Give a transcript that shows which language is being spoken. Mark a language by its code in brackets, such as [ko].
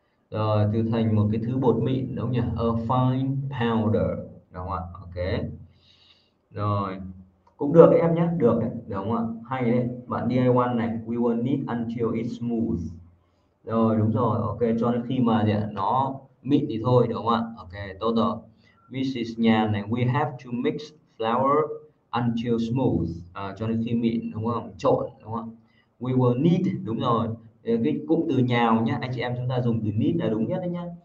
[vi] Rồi từ thành một cái thứ bột mịn đúng không nhỉ? [en] A fine powder [vi] đúng không ạ? Ok. Rồi cũng được đấy em nhé, được đấy, đúng không ạ? Hay đấy. [en] Bạn DIY này, we will knead until it's smooth. [vi] Rồi đúng rồi, ok, cho đến khi mà gì ạ? Nó mịn thì thôi đúng không ạ? Ok, tốt rồi. Mrs. [en] Nhàn này, we have to mix flour until smooth. [vi] À, cho đến khi mịn đúng không? Trộn đúng không ạ? [en] We will knead [vi] đúng rồi. Cái cụm từ nhào nhá, anh chị em chúng ta dùng từ knead là đúng nhất đấy nhá.